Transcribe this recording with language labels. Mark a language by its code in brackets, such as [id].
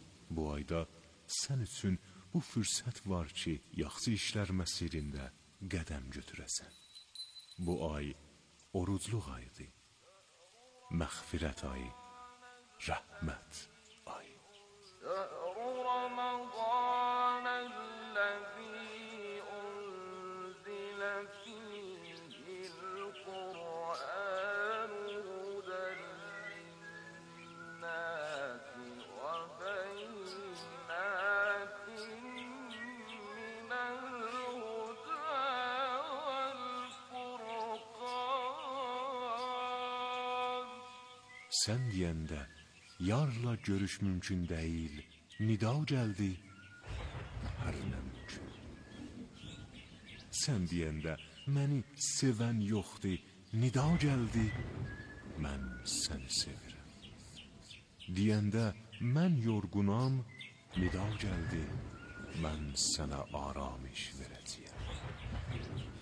[az] Bu ayda sən üçün bu fürsət var ki, yaxşı işlər məsirində qədəm götürəsən. Bu ay orucluq ayıdır. Məğfirət ayı, rəhmət ayı. [ar] Ramazan الذي أنزل فيه القرآن هدى للناس وبينات من الهدى والفرقان. [az] Sen diyende yarla görüş mümkün değil. Nida gəldi, hər nə mümkün. Sən deyəndə, məni sevən yoxdur. Nida gəldi, mən səni sevirəm. Deyəndə, mən yorğunam. Nida gəldi, mən sənə aramış verəcəyəm.